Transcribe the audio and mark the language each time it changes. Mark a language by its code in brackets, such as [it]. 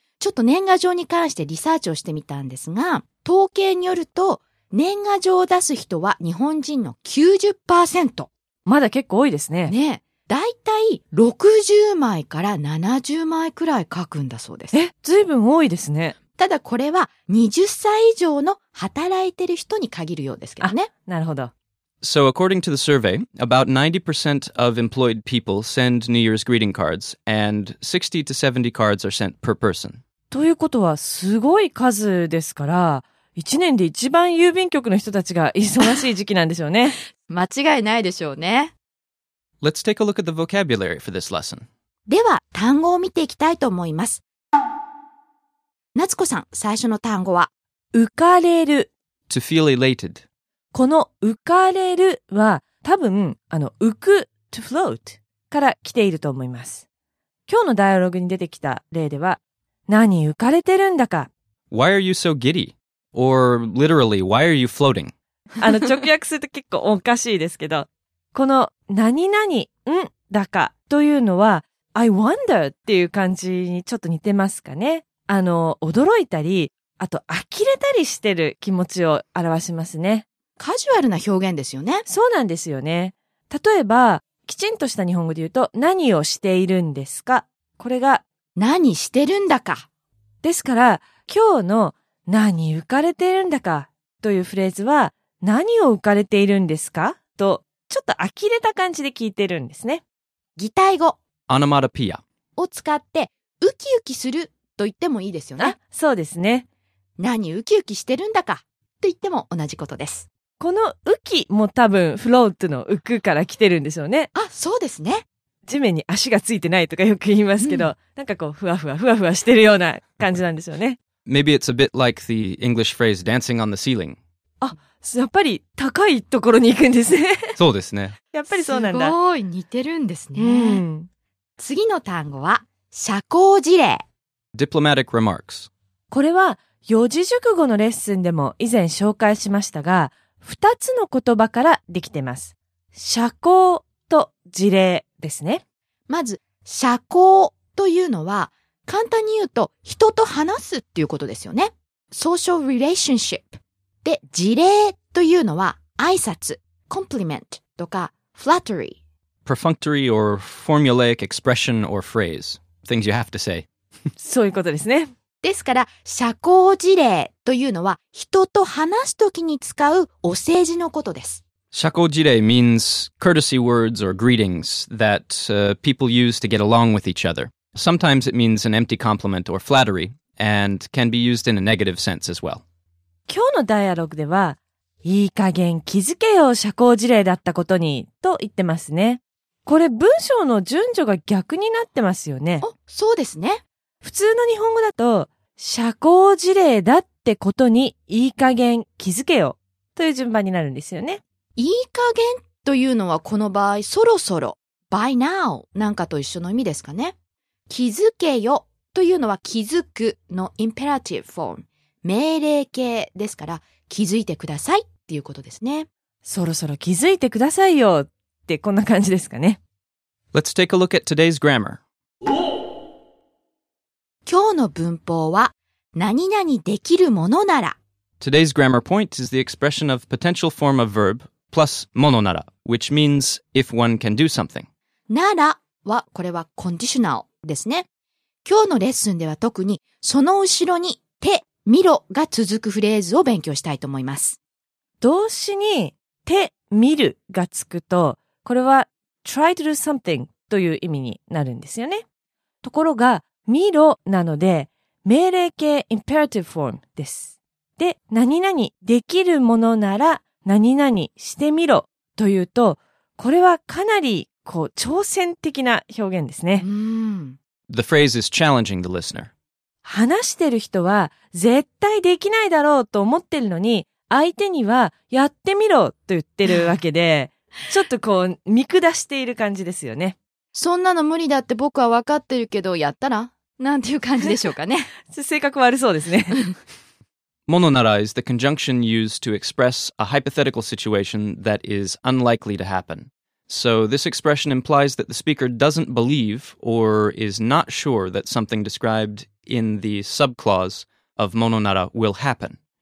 [ja] ちょっと年賀状に関してリサーチをしてみたんですが、統計によると、年賀状を出す人は日本人の 90%。まだ結構多いですね。ね。だいたい60枚から70枚くらい書くんだそうです。え、随分多いですね。ただこれは20歳以上の働いてる人に限るようですけどね。あ、なるほど。 [en] So according to the survey, about 90% of employed people send New Year's greeting cards, and 60 to 70 cards are sent per person. [ja] ということはすごい数ですから、1年で一番郵便局の人たちが忙しい時期なんでしょうね。間違いないでしょうね。 [en] Let's take a look at the vocabulary for this lesson. [ja] では、単語を見ていきたいと思います。夏子さん、最初の単語は、浮かれる。 [en] To feel elated. [ja] この浮かれるは多分あの浮く to float から来ていると思います。今日のダイアログに出てきた例では、何浮かれてるんだか、 [en] Why are you so giddy? Or literally, why are you floating? [ja] あの直訳すると結構おかしいですけど、この何々んだかというのは [en] I wonder [ja] っていう感じにちょっと似てますかね。あの驚いたり、あと呆れたりしてる気持ちを表しますね。カジュアルな表現ですよね。そうなんですよね。例えば、きちんとした日本語で言うと、何をしているんですか？これが、何してるんだか。ですから、今日の、何浮かれているんだかというフレーズは、何を浮かれているんですかと、ちょっと呆れた感じで聞いてるんですね。擬態語、オノマトペアを使って、ウキウキすると言ってもいいですよね。あ、そうですね。何ウキウキしてるんだか。と言っても同じことです。この浮きも多分フロートの浮くから来てるんでしょうね。あ、そうですね。地面に足がついてないとかよく言いますけど、うん、なんかこうふわふわしてるような感じなんでしょうね。 [en] Maybe it's a bit like the English phrase dancing on the ceiling. [ja] あ、やっぱり高いところに行くんですね。そうですね。やっぱりそうなんだ。すごい似てるんですね。うん、次の単語は社交辞令、 [en] Diplomatic remarks。 [ja] これは四字熟語のレッスンでも以前紹介しましたが、二つの言葉からできてます。社交と辞令ですね。まず、社交というのは、簡単に言うと人と話すっていうことですよね。 [en] Social relationship [ja] で、辞令というのは挨拶 compliment とか flattery [en] perfunctory or formulaic expression or phrase things you have to say [ja] そういうことですね。ですから社交辞令というのは人と話すときに使うお世辞のことです。 [en] 社交辞令 means courtesy words or greetings that people use to get along with each other. Sometimes it means an empty compliment or flattery and can be used in a negative sense as well. [ja] 今日のダイアログでは、いい加減気づけよ社交辞令だったことにと言ってますね。これ文章の順序が逆になってますよね。あ、そうですね。普通の日本語だと、社交辞令だってことにいい加減気づけよという順番になるんですよね。いい加減というのはこの場合、そろそろ、 [en] by now [ja] なんかと一緒の意味ですかね。気づけよというのは気づくの imperative form、命令形ですから、気づいてくださいっていうことですね。そろそろ気づいてくださいよってこんな感じですかね。 [en] Let's take a look at today's grammar. [ja] 今日の文法は、何々できるものなら、 [en] Today's grammar point is the expression of potential form of verb plus ものなら, which means if one can do something. [ja] ならは、これは conditional ですね。今日のレッスンでは特にその後ろに手、見ろが続くフレーズを勉強したいと思います。動詞に手、見るがつくと、これは [en] try to do something [ja] という意味になるんですよね。ところが、見ろなので命令形 imperative form です。で、何々できるものなら何々してみろというと、これはかなりこう挑戦的な表現ですね。 [en] The phrase is challenging the listener. [ja] 話してる人は絶対できないだろうと思ってるのに、相手にはやってみろと言ってるわけで、ちょっとこう見下している感じですよね。そんなの無理だって僕は分かってるけど、やったらなんていう感じでしょうかね。性格悪そうですね。 [en] ものなら is the conjunction used to express a hypothetical situation that is unlikely to happen. So this expression implies that the speaker doesn't believe or is not sure that something described in the subclause of ものなら will happen.